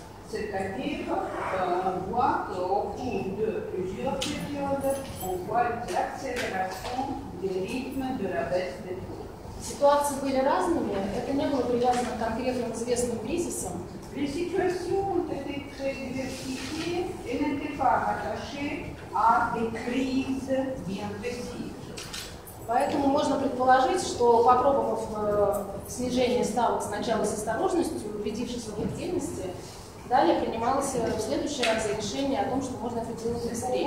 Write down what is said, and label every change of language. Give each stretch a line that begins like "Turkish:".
French: C'est-à-dire, on voit qu'au cours de plusieurs périodes, on voit l'accélération des rythmes de la baisse des taux.
Russian: Ситуации были разными, это не было привязано к конкретным известным кризисам.
French: Les situations ont été très diversifiées et n'étaient pas rattachées à des crises bien précises.
Russian: Поэтому можно предположить, что попробовав снижение ставок сначала с осторожностью, убедившись в объективности, далее принималось в следующий раз решение о том, что можно это делать быстрее.